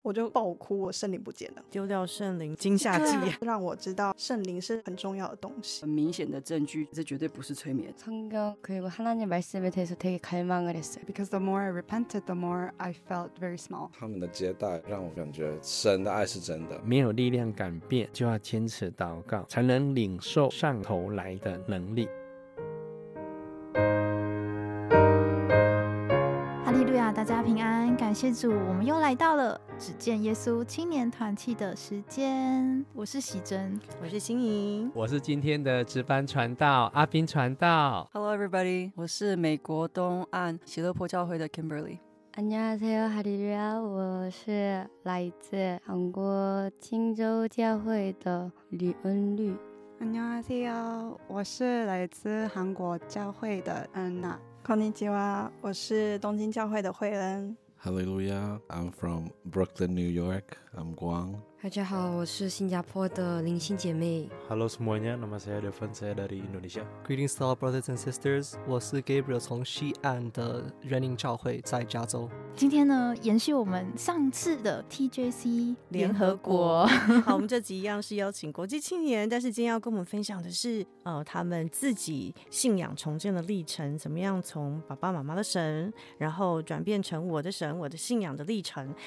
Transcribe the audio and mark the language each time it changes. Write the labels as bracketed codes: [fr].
[zh] 我就爆哭，我圣灵不见了，丢掉圣灵惊吓剂，让我知道圣灵是很重要的东西。很明显的证据，这绝对不是催眠。 [ko] 성경그리고하나님말씀에대해서되게갈망을했어요 [en] Because the more I repented, the more I felt very small. [zh] 他们的接待让我感觉神的爱是真的。没有力量改变，就要坚持祷告，才能领受上头来的能力。大家平安，感谢主，我们又来到了只见耶稣青年团契的时间。我是喜珍，我是欣怡，我是今天的值班传道阿斌传道。 [en] Hello everybody， [zh] 我是美国东岸喜乐坡教会的 Kimberly。 [ko] 안녕하세요 [zh] 哈利路亚，我是来自韩国青州教会的李恩律。 [ko] 안녕하세요， [zh] 我是来自韩国教会的安娜。 [ja] Konnichiwa， [zh] 我是东京教会的慧恩。 [en] Hallelujah， I'm from Brooklyn, New York. I'm Guang. [zh] 大家好，我是新加坡的林欣姐妹。 [id] Hello semuanya， nama saya Devon， saya dari Indonesia. [en] Greetings to all brothers and sisters， [zh] 我是 Gabriel， 从西岸的仁宁教会在加州。今天呢，延续我们上次的 TJC 联合国。好，我们这集一样是邀请国际青年，但是今天要跟我们分享的是，他们自己信仰重建的历程，怎么样从爸爸妈妈的神，然后转变成我的神，我的信仰的历程。